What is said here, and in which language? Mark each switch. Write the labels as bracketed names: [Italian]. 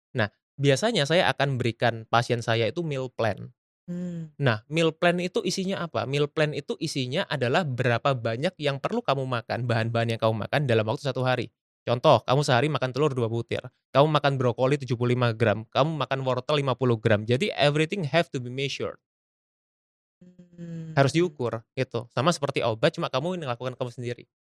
[Indonesian] Nah biasanya saya akan berikan pasien saya itu meal plan. Nah, meal plan itu isinya apa? Meal plan itu isinya adalah berapa banyak yang perlu kamu makan, bahan-bahan yang kamu makan dalam waktu satu hari. Contoh, kamu sehari makan telur 2 butir, kamu makan brokoli 75 gram, kamu makan wortel 50 gram. [English] Jadi everything have to be measured. [Indonesian] Harus diukur, gitu. Sama seperti obat, cuma kamu yang lakukan kamu sendiri.